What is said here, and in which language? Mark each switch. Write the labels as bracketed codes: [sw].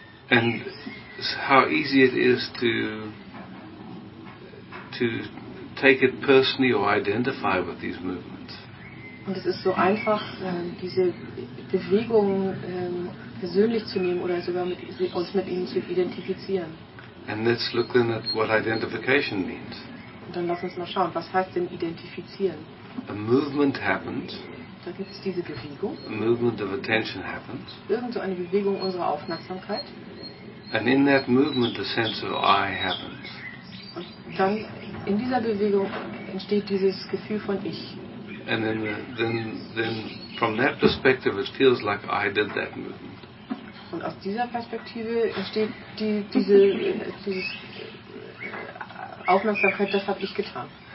[en] And how easy it is to take it personally or identify with these movements. [de] Und es ist so einfach, diese Bewegung persönlich zu nehmen oder sogar uns mit ihnen zu identifizieren. [en] And let's look then at what identification means. [de] Und dann lass uns mal schauen, was heißt denn identifizieren? [en] A movement happens. [de] Da gibt es diese Bewegung. [en] A movement of attention happens. [de] Irgend so eine Bewegung unserer Aufmerksamkeit. [en] And in that movement the sense of I happens. [de] Und dann in dieser Bewegung entsteht dieses Gefühl von Ich. [en] And then from that perspective it feels like I did that movement. [de] Und aus dieser Perspektive entsteht dieses Aufmerksamkeit, das habe ich getan.